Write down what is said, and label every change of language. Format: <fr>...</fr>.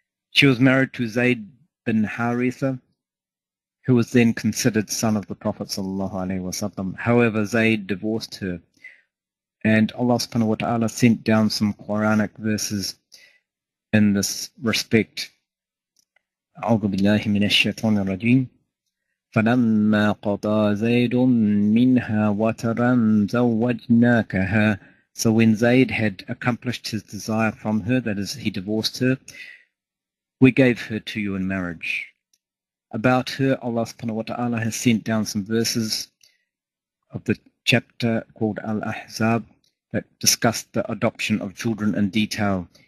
<en>She was married to Zayd bin Haritha, who was then considered son of the Prophet sallallahu alayhi wasallam. However, Zayd divorced her, and Allah subhanahu wa ta'ala sent down some Quranic verses in this respect.</en> <ar>أعوذ بالله من الشيطان الرجيم فلما قضى زيد منها وترا زوجناكها.</ar> <en>So when Zayd had accomplished his desire from her, that is, he divorced her, we gave her to you in marriage. About her, Allah subhanahu wa ta'ala has sent down some verses of the chapter called Al-Ahzab that discussed the adoption of children in detail.</en>